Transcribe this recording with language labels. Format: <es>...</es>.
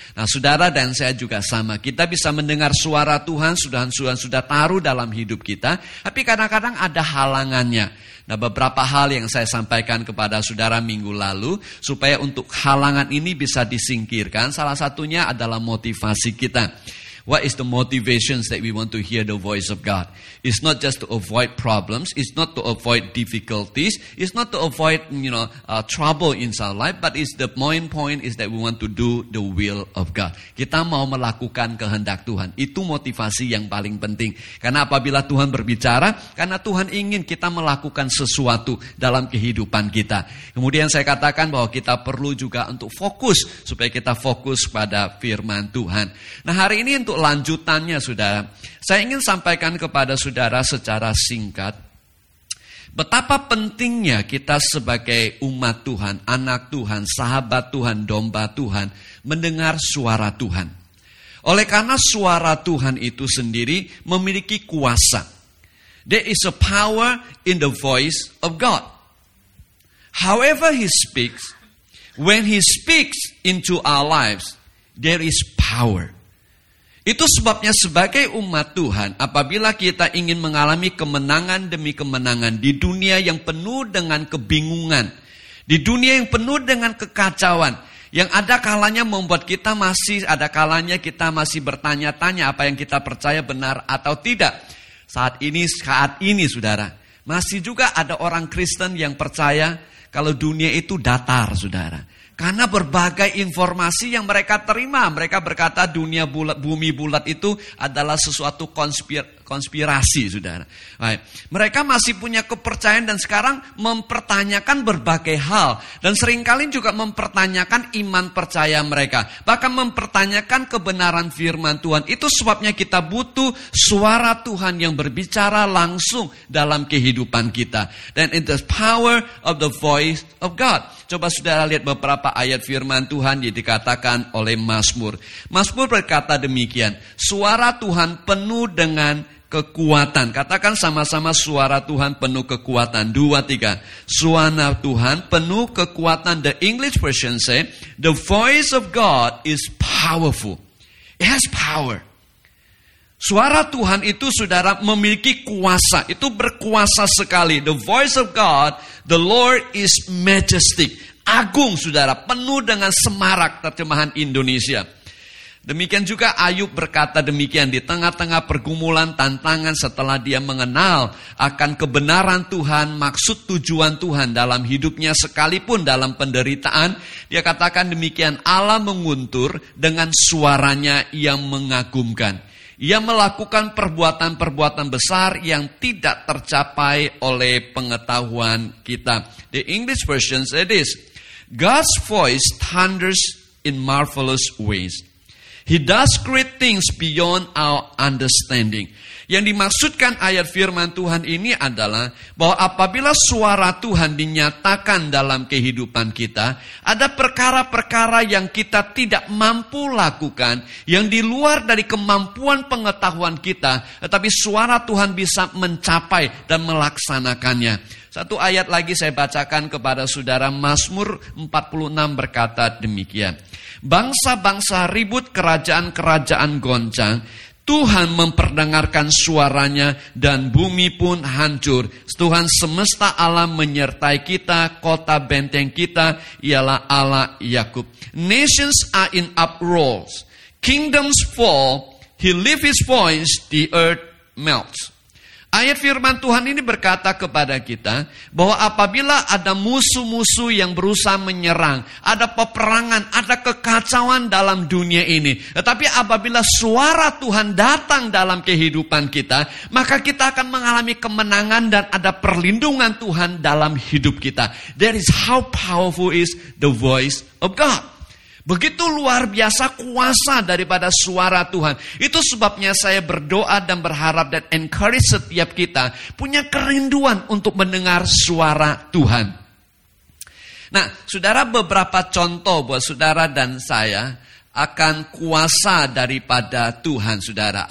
<id>Nah, saudara dan saya juga sama. Kita bisa mendengar suara Tuhan, sudah taruh dalam hidup kita, tapi kadang-kadang ada halangannya. Nah, beberapa hal yang saya sampaikan kepada saudara minggu lalu, supaya untuk halangan ini bisa disingkirkan, salah satunya adalah motivasi kita.</id> <en>What is the motivations that we want to hear the voice of God? It's not just to avoid problems. It's not to avoid difficulties. It's not to avoid, you know, trouble in our life. But it's the main point is that we want to do the will of God.</en> <id>Kita mau melakukan kehendak Tuhan. Itu motivasi yang paling penting. Karena apabila Tuhan berbicara, karena Tuhan ingin kita melakukan sesuatu dalam kehidupan kita. Kemudian saya katakan bahwa kita perlu juga untuk fokus. Supaya kita fokus pada firman Tuhan. Nah, hari ini untuk lanjutannya saudara, saya ingin sampaikan kepada saudara secara singkat betapa pentingnya kita sebagai umat Tuhan, anak Tuhan, sahabat Tuhan, domba Tuhan mendengar suara Tuhan. Oleh karena suara Tuhan itu sendiri memiliki kuasa.</id> <en>There is a power in the voice of God. However he speaks, when he speaks into our lives, there is power.</en> <id>Itu sebabnya sebagai umat Tuhan, apabila kita ingin mengalami kemenangan demi kemenangan di dunia yang penuh dengan kebingungan, di dunia yang penuh dengan kekacauan, yang ada kalanya membuat kita masih, ada kalanya kita masih bertanya-tanya apa yang kita percaya benar atau tidak. Saat ini saudara, masih juga ada orang Kristen yang percaya kalau dunia itu datar saudara. Karena berbagai informasi yang mereka terima, mereka berkata dunia bulat, bumi bulat itu adalah sesuatu konspirasi, saudara. Baik. Mereka masih punya kepercayaan dan sekarang mempertanyakan berbagai hal. Dan seringkali juga mempertanyakan iman percaya mereka. Bahkan mempertanyakan kebenaran firman Tuhan. Itu sebabnya kita butuh suara Tuhan yang berbicara langsung dalam kehidupan kita.</id> <en>Then it's the power of the voice of God.</en> <id>Coba saudara lihat beberapa ayat firman Tuhan yang dikatakan oleh Mazmur. Mazmur berkata demikian, suara Tuhan penuh dengan kekuatan. Katakan sama-sama, suara Tuhan penuh kekuatan. 2, 3. Suara Tuhan penuh kekuatan.</id> <en>The English version say, the voice of God is powerful. It has power.</en> <id>Suara Tuhan itu, saudara, memiliki kuasa. Itu berkuasa sekali.</id> <en>The voice of God, the Lord is majestic.</en> <id>Agung, saudara, penuh dengan semarak, terjemahan Indonesia. Demikian juga Ayub berkata demikian, di tengah-tengah pergumulan, tantangan, setelah dia mengenal akan kebenaran Tuhan, maksud tujuan Tuhan dalam hidupnya sekalipun dalam penderitaan, dia katakan demikian, Allah menguntur dengan suaranya yang mengagumkan. Ia melakukan perbuatan-perbuatan besar yang tidak tercapai oleh pengetahuan kita.</id> <en>The English version says this, God's voice thunders in marvelous ways. He does great things beyond our understanding.</en> <id>Yang dimaksudkan ayat firman Tuhan ini adalah bahwa apabila suara Tuhan dinyatakan dalam kehidupan kita, ada perkara-perkara yang kita tidak mampu lakukan, yang di luar dari kemampuan pengetahuan kita, tetapi suara Tuhan bisa mencapai dan melaksanakannya. Satu ayat lagi saya bacakan kepada saudara, Mazmur 46 berkata demikian. Bangsa-bangsa ribut, kerajaan-kerajaan goncang, Tuhan memperdengarkan suaranya dan bumi pun hancur. Tuhan semesta alam menyertai kita, kota benteng kita ialah Allah Yakub.</id> <en>Nations are in uproar, kingdoms fall, he lifts his voice, the earth melts.</en> <id>Ayat firman Tuhan ini berkata kepada kita bahwa apabila ada musuh-musuh yang berusaha menyerang, ada peperangan, ada kekacauan dalam dunia ini, tetapi apabila suara Tuhan datang dalam kehidupan kita, maka kita akan mengalami kemenangan dan ada perlindungan Tuhan dalam hidup kita.</id> <en>That is how powerful is the voice of God.</en> <id>Begitu luar biasa kuasa daripada suara Tuhan. Itu sebabnya saya berdoa dan berharap dan encourage setiap kita punya kerinduan untuk mendengar suara Tuhan. Nah, saudara, beberapa contoh buat saudara dan saya akan kuasa daripada Tuhan, saudara.</id>